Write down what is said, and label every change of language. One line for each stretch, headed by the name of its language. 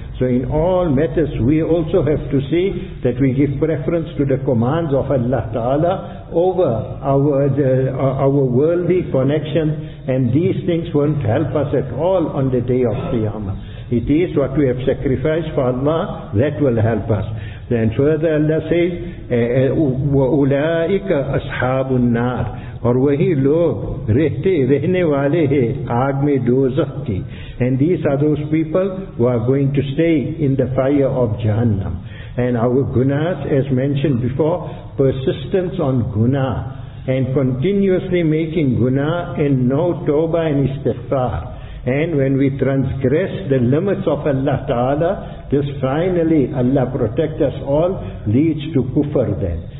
English: So in all matters, we also have to see that we give preference to the commands of Allah Ta'ala over our worldly connection, and these things won't help us at all on the day of Qiyamah. It is what we have sacrificed for Allah that will help us.
Urdu: Then further Allah says,
Arabic: وَأُولَٰئِكَ أَصْحَابُ النَّارِ,
Urdu: اور وہی لوگ رہنے والے ہیں آگ میں دوزخ کی.
English: And these are those people who are going to stay in the fire of Jahannam. And our gunas, as mentioned before, persistence on guna. and continuously making guna and no tawbah and istighfar. And when we transgress the limits of Allah Ta'ala, this finally, Allah protect us all, leads to kufr then.